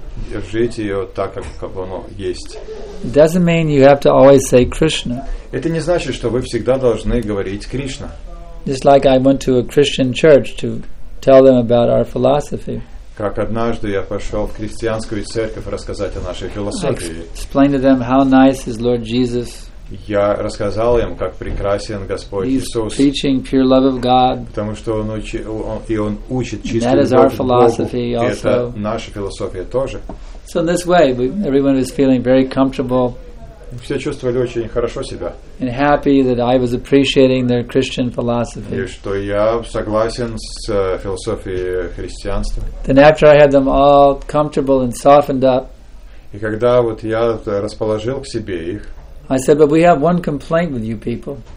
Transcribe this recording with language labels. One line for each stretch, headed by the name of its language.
Russian: Держите ее так, как оно есть.
English: It doesn't mean you have to always say Krishna.
Russian: Это не значит, что вы всегда должны говорить Кришна.
English: Just like I went to a Christian church to tell them about our philosophy.
Russian: Как однажды я пошел в христианскую церковь рассказать о нашей философии.
English: Explain to them how nice is Lord Jesus.
Russian: Я рассказал им, как прекрасен Господь
English: He's
Russian: Иисус.
English: Teaching pure love of God.
Russian: Потому что он учит чистую любовь.
English: That is our philosophy also.
Russian: Это наша философия тоже.
English: So in this way, everyone was feeling very comfortable.
Russian: Все чувствовали очень хорошо себя.
English: And happy that I was appreciating their Christian philosophy.
Russian: И что я согласен с философией христианства.
English: Then after I had them all comfortable and softened up.
Russian: И когда вот я расположил к себе их.
English: I said, but we have one complaint with you people.